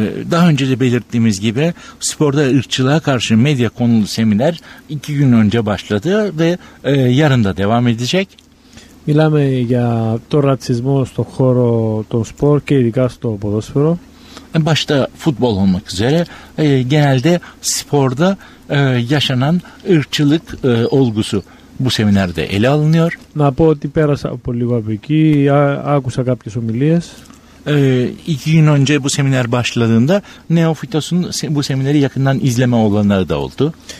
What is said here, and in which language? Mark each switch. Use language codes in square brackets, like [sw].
[tr] Daha önce de belirttiğimiz gibi sporda ırkçılığa karşı medya konulu seminer 2 gün önce başladı ve yarın da devam edecek. [el] Μιλάμε για το ρατσισμό στον χώρο των σπορ και ειδικά στο ποδόσφαιρο. [tr] Başta futbol olmak üzere genelde sporda yaşanan ırkçılık olgusu bu seminerde ele alınıyor. [el] Να πω ότι πέρασα από λίγο από εκεί, άκουσα κάποιες ομιλίες. [tr] İki gün önce bu seminer başladığında Neofitos'un bu semineri yakından izleme olanağı da oldu.